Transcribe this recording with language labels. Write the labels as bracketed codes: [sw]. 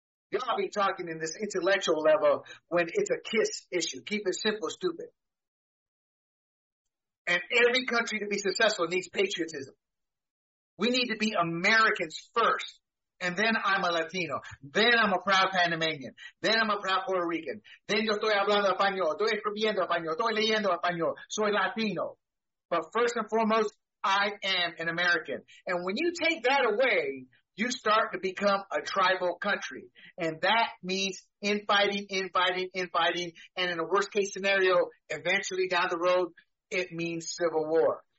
[en] Y'all be talking in this intellectual level when it's a KISS issue. Keep it simple, stupid. And every country to be successful needs patriotism. We need to be Americans first. And then I'm a Latino. Then I'm a proud Panamanian. Then I'm a proud Puerto Rican. Then [es] yo estoy hablando español. Estoy escribiendo español. Estoy leyendo español. Soy Latino. [en] But first and foremost, I am an American. And when you take that away, you start to become a tribal country. And that means infighting, infighting, infighting. And in a worst case scenario, eventually down the road, it means civil war.